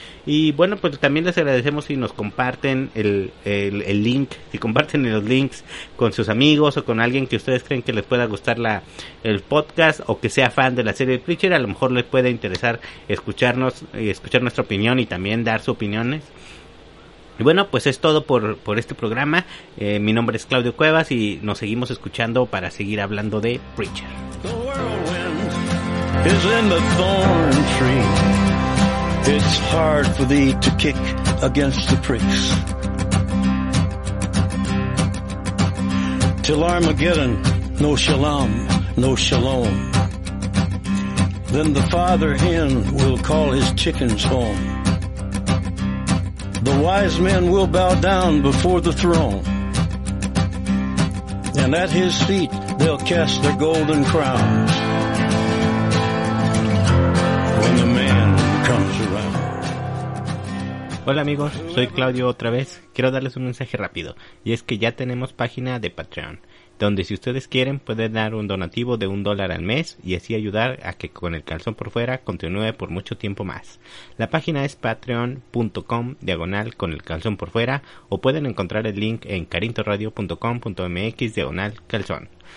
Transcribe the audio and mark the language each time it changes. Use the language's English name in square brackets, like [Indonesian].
[Spanish] Y bueno, pues también les agradecemos si nos comparten el link, si comparten los links con sus amigos o con alguien que ustedes creen que les pueda gustar el podcast o que sea fan de la serie de Preacher. A lo mejor les puede interesar escucharnos y escuchar nuestra opinión y también dar su opinión. Y bueno, pues es todo por este programa. Mi nombre es Claudio Cuevas y nos seguimos escuchando para seguir hablando de Preacher. [English] The whirlwind is in the thorn tree. It's hard for thee to kick against the pricks. Till Armageddon, no shalom, no shalom. Then the father hen will call his chickens home. The wise men will bow down before the throne, and at his feet they'll cast their golden crowns when the man comes around. [Spanish] Hola amigos, soy Claudio otra vez. Quiero darles un mensaje rápido, y es que ya tenemos página de Patreon, donde si ustedes quieren pueden dar un donativo de $1 al mes y así ayudar a que Con el Calzón por Fuera continúe por mucho tiempo más. La página es patreon.com/conelcalzonporfuera o pueden encontrar el link en carintoradio.com.mx/calzón.